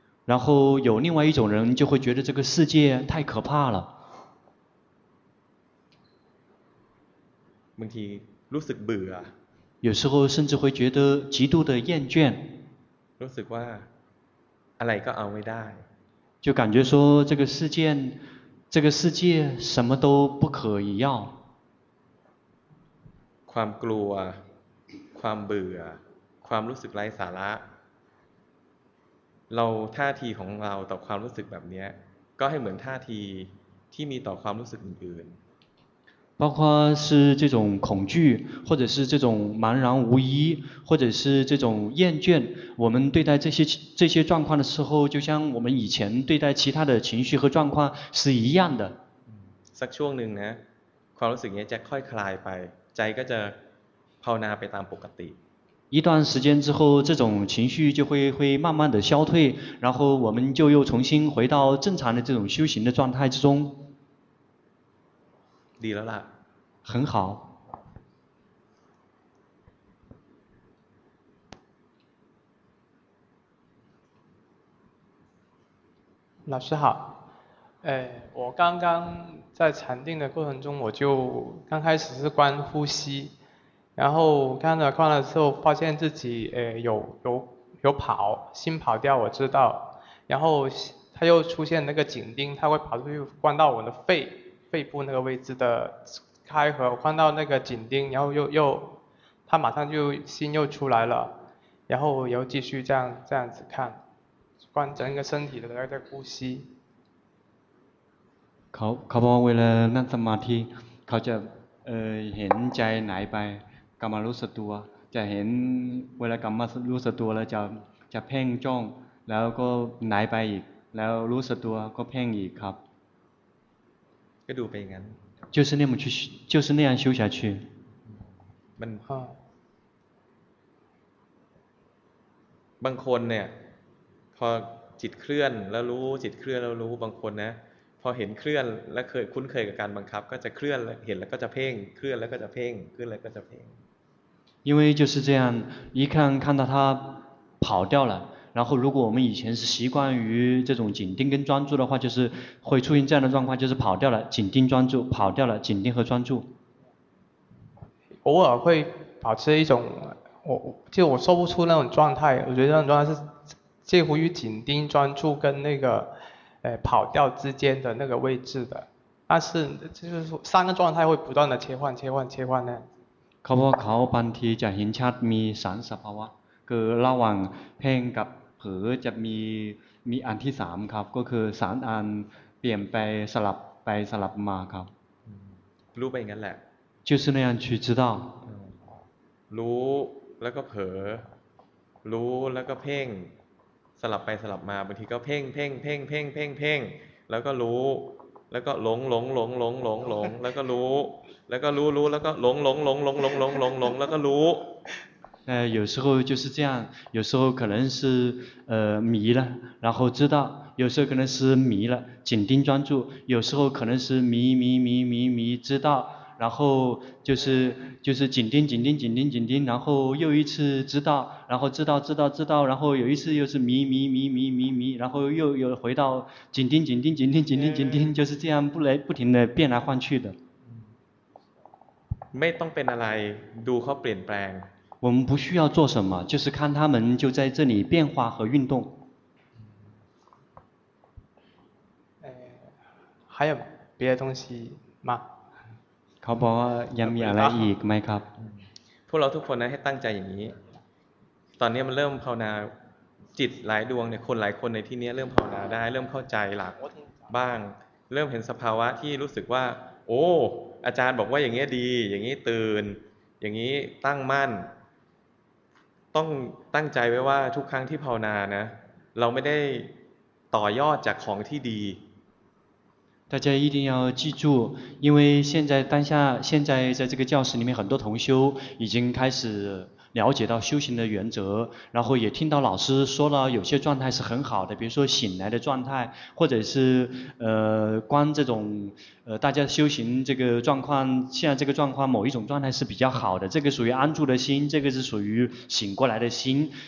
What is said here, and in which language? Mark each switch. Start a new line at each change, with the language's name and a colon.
Chinese: 然后有另外一种人就会觉得这个世界太可怕了
Thai: บางทีรู้สึกเบื่อ
Chinese: 有时候甚至会觉得极度的厌倦
Thai: รู้สึกว่าอะไรก็เอาไม่ได้
Chinese: 就感觉说这个世界什么都不可以要
Thai: ความกลัวความเบื่อความรู้สึกไร้สาระเราท่าทีของเราต่อความรู้สึกแบบนี้ก็ให้เหมือนท่าทีที่มีต่อความรู้สึกอื่นๆ
Chinese: 包括是这种恐惧或者是这种茫然无依或者是这种厌倦我们对待这些状况的时候就像我们以前对待其他的情绪和状况是一样的
Thai: สักช่วงหนึ่งนะความรู้สึกนี้จะค่อยคลายไปใจก็จะภาวนาไปตามปกติ
Chinese: 一段时间之后这种情绪就会慢慢的消退然后我们就又重新回到正常的这种修行的状态之中
Thai: ดีแล้วล่ะ
Chinese: 很好老师好我刚刚在禅定的过程中我就刚开始是观呼吸然后看了看了之后发现自己有跑心跑掉我知道然后他又出现那个紧盯他会跑出去关到我的肺部那个位置的开合，我看到那个紧盯，然后又他马上就心又出来了，然后又继续这样子看，观整个身体的在呼吸。
Thai: เขาบอกเวลานั่งสมาธิเขาจะเห็นใจไหนไปกรรมรู้สึกตัวจะเห็นเวลากรรมรู้สึกตัวแล้วจะเพ่งจ้องแล้วก็ไหนไปอีกแล้วรู้สึกตัวก็เพ่งอีกครับ ก็ดูไปอย่างนั้น
Chinese: 就是那么去就是那样修下去
Thai: มันบางคนเนี่ยพอจิตเคลื่อนแล้วรู้จิตเคลื่อนแล้วรู้บางคนนะพอเห็นเคลื่อนและเคยคุ้นเคยกับการบังคับก็จะเคลื่อนเห็นแล้วก็จะเพ่งเคลื่อนแล้วก็จะเพ่งเคลื่อนแล้วก็จะเพ่ง
Chinese: 因为就是这样一看看到他跑掉了然后如果我们以前是习惯于这种紧盯跟专注的话就是会出现这样的状况就是跑掉了紧盯专注跑掉了紧盯和专注偶尔会保持一种我说不出那种状态我觉得那种状态是介乎于紧盯专注跟那个跑掉之间的那个位置的但是就是三个状态会不断的切换
Thai: เขาบอกเขาบางทีจะเห็นชัดมีสามสภาวะคือระหว่างเพ่งกับเผลอจะมีอันที่สามครับก็คือสามอันเปลี่ยนไปสลับไปสลับมาครับ รู้ไปงั้นแหละ
Chinese: 就是那样去知道
Thai: รู้แล้วก็เผลอรู้แล้วก็เพ่งสลับไปสลับมาบางทีก็เพ่งเพ่งเพ่งเพ่งเพ่งเพ่งแล้วก็รู้แล้วก็หลงแล้วก็รู้แล้วก็รู้แล้วก็หลงแล้วก็รู้
Chinese: 有时候就是这样有时候可能是迷了然后知道有时候可能是迷了紧盯专注有时候可能是迷知道然后就是紧盯，然后又一次知道，然后知道，然后有一次又是迷，然后又回到紧盯，就是这样不停的变来换去的。
Thai: ไม่ต้องเป็นอะไรดูเขาเปลี่ยนแปลง
Chinese: 我们不需要做什么，就是看他们就在这里变化和运动。还有别的东西吗？
Thai: เขาบอกว่ายังมีอะไรอีกไหมครับ พวกเราทุกคนนะให้ตั้งใจอย่างนี้ตอนนี้มันเริ่มภาวนาจิตหลายดวงเนี่ยคนหลายคนในที่นี้เริ่มภาวนาได้เริ่มเข้าใจหลักบ้างเริ่มเห็นสภาวะที่รู้สึกว่าโอ้อาจารย์บอกว่าอย่างนี้ดีอย่างนี้ตื่นอย่างนี้ตั้งมั่นต้องตั้งใจไว้ว่าทุกครั้งที่ภาวนานะเราไม่ได้ต่อยอดจากของที่ดี
Chinese: 大家一定要记住，因为现在当下，现在在这个教室里面，很多同修已经开始了解到修行的原则，然后也听到老师说了，有些状态是很好的，比如说醒来的状态，或者是观这种大家修行这个状况，现在这个状况某一种状态是比较好的，这个属于安住的心，这个是属于醒过来的心。